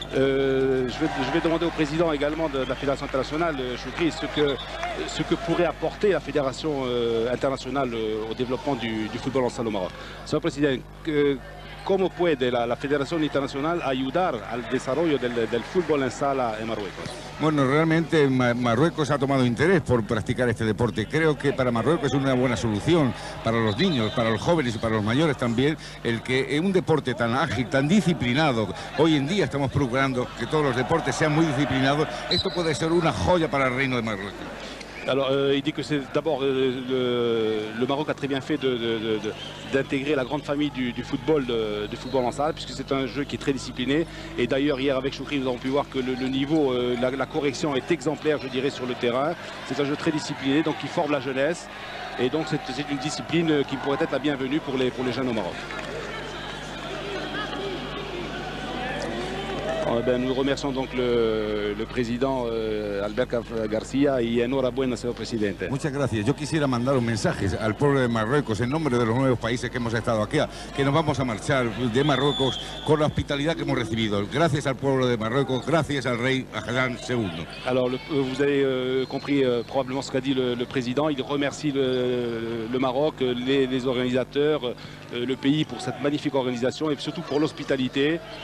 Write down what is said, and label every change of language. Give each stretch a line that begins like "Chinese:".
French: Je vais demander au président également de la Fédération internationale, Choukri, ce que pourrait apporter la Fédération internationale au développement du football en salle au Maroc. Monsieur le président, comment peut la Fédération internationale aider au développement du football en salle au Maroc?
Spanish: Bueno, realmente Marruecos ha tomado interés por practicar este deporte. Creo que para Marruecos es una buena solución para los niños, para los jóvenes y para los mayores también, el que un deporte tan ágil, tan disciplinado, hoy en día estamos procurando que todos los deportes sean muy disciplinados, esto puede ser una joya para el Reino de Marruecos.
French: Alors, il dit que c'est d'abord le Maroc a très bien fait d'intégrer la grande famille du football en salle, puisque c'est un jeu qui est très discipliné. Et d'ailleurs, hier avec Choukri, nous avons pu voir que le niveau, la correction est exemplaire, je dirais, sur le terrain. C'est un jeu très discipliné, donc qui forme la jeunesse. Et donc, c'est une discipline qui pourrait être la bienvenue pour les jeunes au Maroc. Ben, nous remercions donc le président Alberca Garcia et
Spanish: enhorabuena, señor presidente. Muchas gracias. Yo quisiera mandar un mensaje al pueblo de Marruecos en nombre de los nuevos países que hemos estado aquí, que nos vamos a marchar de Marruecos con la hospitalidad que hemos recibido. Gracias al pueblo de Marruecos, gracias al rey Hassan II.
French: Alors, vous avez compris probablement ce qu'a dit le président. Il remercie le Maroc, les organisateurs, le pays pour cette magnifique organisation et surtout pour l'hospitalité.